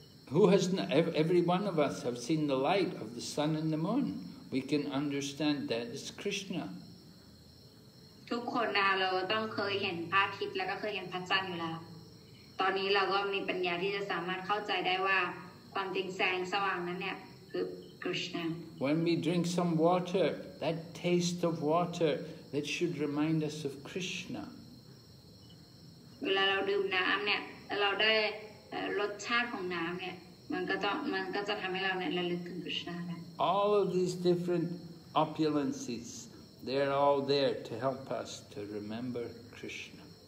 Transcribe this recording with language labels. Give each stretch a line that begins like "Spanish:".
English: Who has not, every one of us have seen the light of the sun and the moon. We can understand that it's Krishna.
Thai: ทุกคนนะเราต้องเคยเห็นพระอาทิตย์แล้วก็เคยเห็นพระจันทร์อยู่แล้วตอนนี้เราก็มีปัญญาที่จะสามารถเข้าใจได้ว่าความจริงแสงสว่างนั้นเนี่ยคือ Krishna
English: When we drink some water that taste of water that should remind us of Krishna
Thai: เวลาเราดื่มน้ำเนี่ยเราได้รสชาติของน้ำเนี่ยมันก็จะทำให้เราเนี่ยระลึกถึง Krishna
English: All of these different opulencesThey're all there to help us to remember Krishna.